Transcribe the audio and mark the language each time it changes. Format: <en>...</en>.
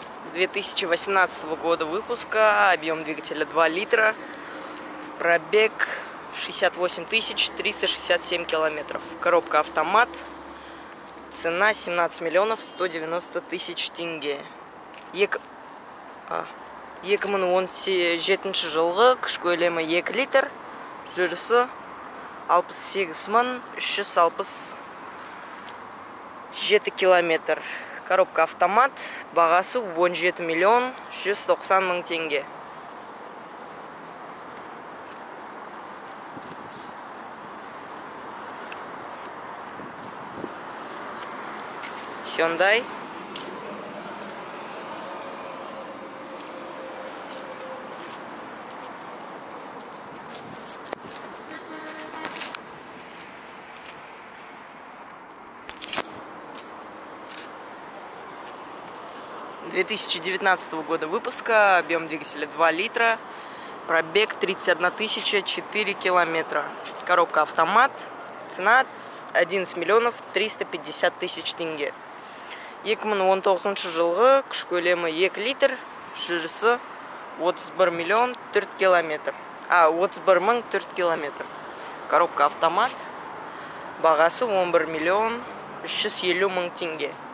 <ru>С 2018 года выпуска, объем двигателя 2 литра, пробег 68 367 километров, коробка автомат, цена 17 190 000 тенге.</ru> <kk>2017 жылғы, күш көлемі 2 литр, жүрісі 68 367 километр. Коробка автомат, бағасы 17 190 000 тенге. Hyundai.</kk> <ru>С 2019 года выпуска, объем двигателя 2 литра, пробег 31 004 километра, коробка автомат, цена 11 350 000 тенге.</ru> <kk>2019 жылғы, күш көлемі 2 литр, жүрісі 31 004 километр, коробка автомат, бағасы 11 350 000 тенге.</kk>